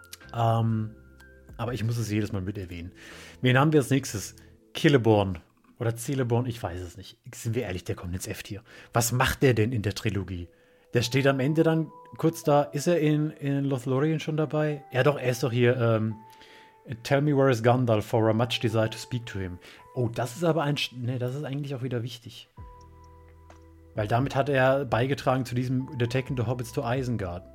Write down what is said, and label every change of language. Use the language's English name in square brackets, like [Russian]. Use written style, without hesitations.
[German] Aber ich muss es jedes Mal mit erwähnen. Wen haben wir als nächstes? Celeborn. Oder Celeborn, ich weiß es nicht. Sind wir ehrlich, der kommt ins F-Tier. Was macht der denn in der Trilogie? Der steht am Ende dann kurz da. Ist er in Lothlorien schon dabei? Ja doch, er ist doch hier. [English] Tell me where is Gandalf, for I much desire to speak to him. [German] Oh, das ist aber das ist eigentlich auch wieder wichtig. Weil damit hat er beigetragen zu diesem The Taking the Hobbits to Isengard.